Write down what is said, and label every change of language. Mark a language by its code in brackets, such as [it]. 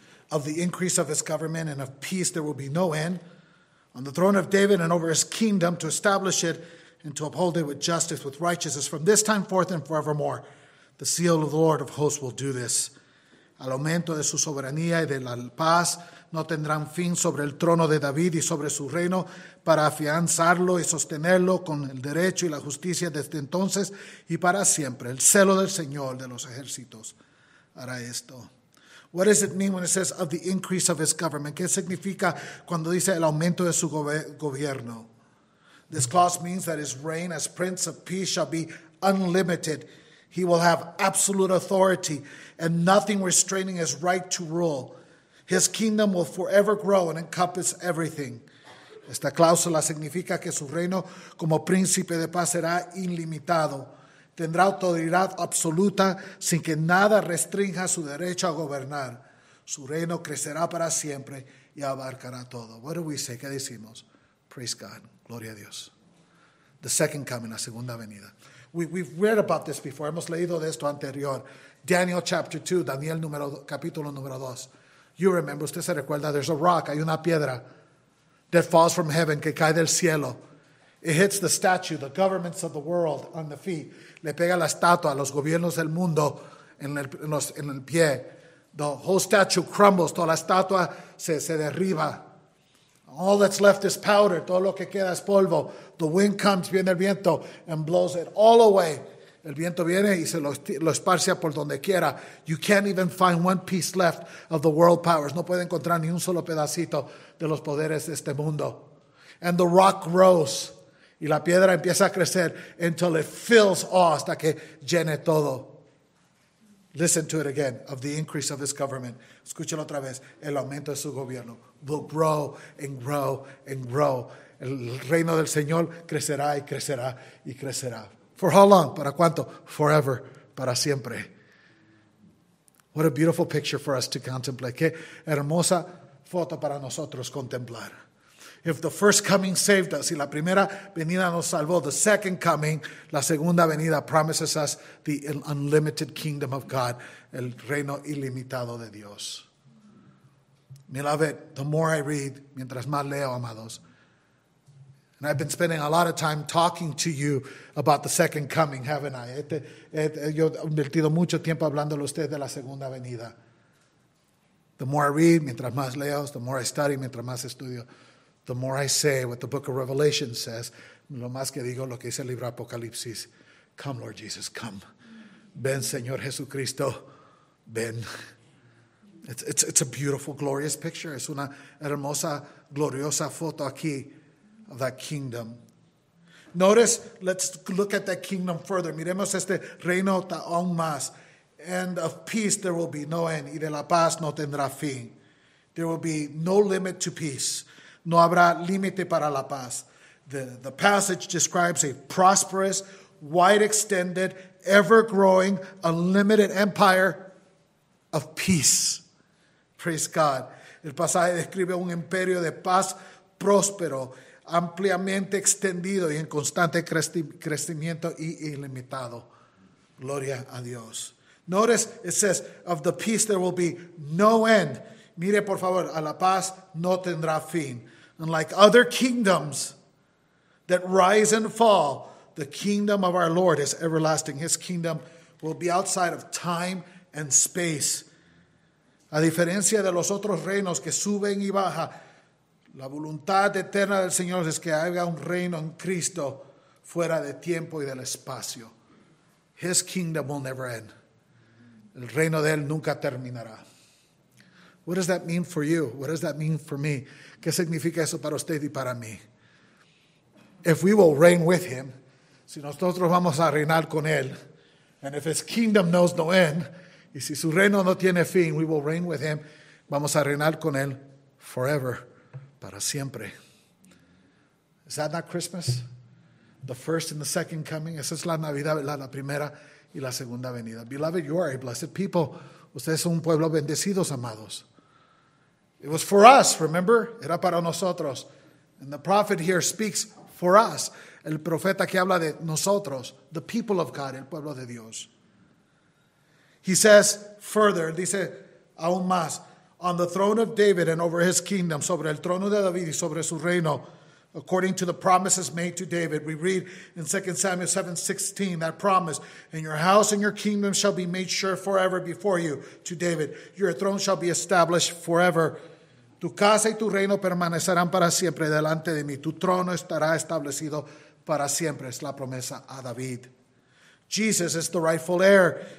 [en] Of the increase of his government and of peace there will be no end. On the throne of David and over his kingdom to establish it and to uphold it with justice, with righteousness from this time forth and forevermore. The seal of the Lord of hosts will do this. [es] Al aumento de su soberanía y de la paz no tendrán fin sobre el trono de David y sobre su reino para afianzarlo y sostenerlo con el derecho y la justicia desde entonces y para siempre. El celo del Señor de los ejércitos hará esto. [en] What does it mean when it says of the increase of his government? [es] ¿Qué significa cuando dice el aumento de su gobierno? [en] This clause means that his reign as prince of peace shall be unlimited. He will have absolute authority and nothing restraining his right to rule. His kingdom will forever grow and encompass everything. [es] Esta cláusula significa que su reino como príncipe de paz será ilimitado. Tendrá autoridad absoluta sin que nada restrinja su derecho a gobernar. Su reino crecerá para siempre y abarcará todo. [en] What do we say? [es] ¿Qué decimos? [en] Praise God. [es] Gloria a Dios. [en] The second coming, [es] la segunda venida. [en] We've read about this before. [es] Hemos leído de esto anterior. [en] Daniel chapter 2, [es] Daniel número, capítulo número 2. [en] You remember, [es] usted se recuerda, [en] there's a rock, [es] hay una piedra [en] that falls from heaven, [es] que cae del cielo. [en] It hits the statue, the governments of the world, on the feet. [es] Le pega la estatua a los gobiernos del mundo en el pie. [en] The whole statue crumbles, [es] toda la estatua se derriba. [en] All that's left is powder, [es] todo lo que queda es polvo. [en] The wind comes, [es] viene el viento, [en] and blows it all away. [es] El viento viene y se lo esparcia por donde quiera. [en] You can't even find one piece left of the world powers. [es] No puede encontrar ni un solo pedacito de los poderes de este mundo. [en] And the rock grows. [es] Y la piedra empieza a crecer [en] until it fills all, [es] hasta que llene todo. [en] Listen to it again, of the increase of his government. [es] Escúchalo otra vez. El aumento de su gobierno [en] will grow and grow and grow. [es] El reino del Señor crecerá y crecerá y crecerá. [en] For how long? [es] ¿Para cuánto? [en] Forever. [es] Para siempre. [en] What a beautiful picture for us to contemplate. [es] Qué hermosa foto para nosotros contemplar. [en] If the first coming saved us, [es] si la primera venida nos salvó, [en] the second coming, [es] la segunda venida [en] promises us the unlimited kingdom of God, [es] el reino ilimitado de Dios. [en] Beloved, the more I read, [es] mientras más leo, amados, [en] and I've been spending a lot of time talking to you about the second coming, haven't I? [es] Yo he invertido mucho tiempo hablando a ustedes de la segunda venida. [en] The more I read, [es] mientras más leo, [en] the more I study, [es] mientras más estudio, [en] the more I say what the book of Revelation says, [es] lo más que digo lo que dice el libro Apocalipsis, [en] come Lord Jesus, come. [es] Ven Señor Jesucristo, ven. [en] It's a beautiful, glorious picture. [es] Es una hermosa, gloriosa foto aquí [en] of that kingdom. Notice, let's look at that kingdom further. [es] Miremos este reino aún más. [en] And of peace there will be no end. [es] Y de la paz no tendrá fin. [en] There will be no limit to peace. [es] No habrá límite para la paz. [en] The passage describes a prosperous, wide-extended, ever-growing, unlimited empire of peace. Praise God. [es] El pasaje describe un imperio de paz próspero, ampliamente extendido y en constante crecimiento y ilimitado. Gloria a Dios. [en] Notice it says, of the peace there will be no end. [es] Mire, por favor, a la paz no tendrá fin. [en] Unlike other kingdoms that rise and fall, the kingdom of our Lord is everlasting. His kingdom will be outside of time and space. [es] A diferencia de los otros reinos que suben y bajan, la voluntad eterna del Señor es que haya un reino en Cristo fuera de tiempo y del espacio. [en] His kingdom will never end. [es] El reino de Él nunca terminará. [en] What does that mean for you? What does that mean for me? [es] ¿Qué significa eso para usted y para mí? [en] If we will reign with him, [es] si nosotros vamos a reinar con él, [en] and if his kingdom knows no end, [es] y si su reino no tiene fin, [en] we will reign with him, [es] vamos a reinar con él [en] forever, [es] para siempre. [en] Is that not Christmas? The first and the second coming. [es] Esa es la Navidad, la primera y la segunda venida. [en] Beloved, you are a blessed people. [es] Ustedes son un pueblo bendecidos, amados. [en] It was for us, remember? [es] Era para nosotros. [en] And the prophet here speaks for us. [es] El profeta que habla de nosotros, [en] the people of God, [es] el pueblo de Dios. [en] He says further, [es] dice aún más, [en] on the throne of David and over his kingdom, [es] sobre el trono de David y sobre su reino, [en] according to the promises made to David. We read in 2 Samuel 7:16 that promise, and your house and your kingdom shall be made sure forever before you, to David. Your throne shall be established forever. [es] Tu casa y tu reino permanecerán para siempre delante de mí. Tu trono estará establecido para siempre. Es la promesa a David. [en] Jesus is the rightful heir.